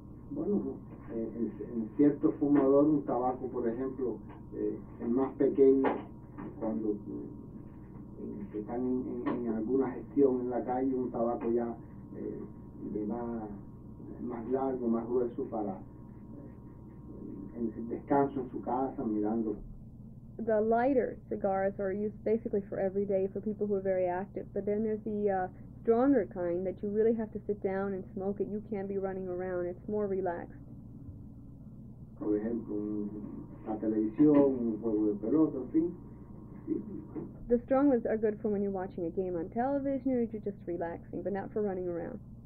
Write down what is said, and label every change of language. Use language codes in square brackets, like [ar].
[es] Bueno, en cierto fumador un tabaco, por ejemplo, es más pequeño cuando que están en alguna gestión en la calle, un tabaco ya de más largo, más grueso para en descanso en su casa mirando. [en] The lighter cigars are used basically for every day for people who are very active, but then there's the stronger kind that you really have to sit down and smoke it. You can't be running around. It's more relaxed. [es] Por ejemplo, la televisión, un juego de pelota, en fin. [en] The strong ones are good for when you're watching a game on television or you're just relaxing, but not for running around.